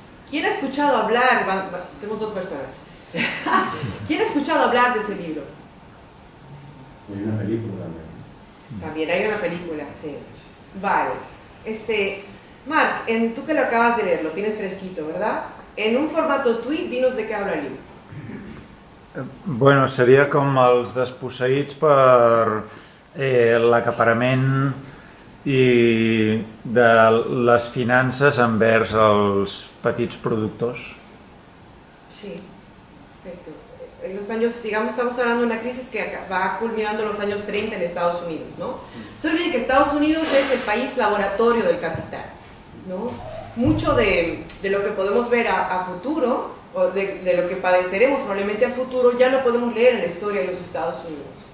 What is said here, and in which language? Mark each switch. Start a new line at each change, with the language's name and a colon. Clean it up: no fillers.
Spanish: ¿Quién ha escuchado hablar? Tenemos dos personas. ¿Quién ha escuchado hablar de ese libro? Hay una película. También hay una película, sí. Vale. Marc, tú que lo acabas de leer, lo tienes fresquito, ¿verdad? En un formato tuit, dinos de qué habla el libro.
Catalan: Bueno, seria com els desposseïts per l'acaparament i de les finances envers els petits productors.
Spanish: Sí, perfecto. En los años, digamos, estamos hablando de una crisis que va culminando en los años 30 en Estados Unidos, ¿no? Se olvide que Estados Unidos es el país laboratorio del capital, ¿no? Mucho de lo que podemos ver a futuro, o de lo que padeceremos probablemente a futuro, ya lo podemos leer en la historia de los Estados Unidos.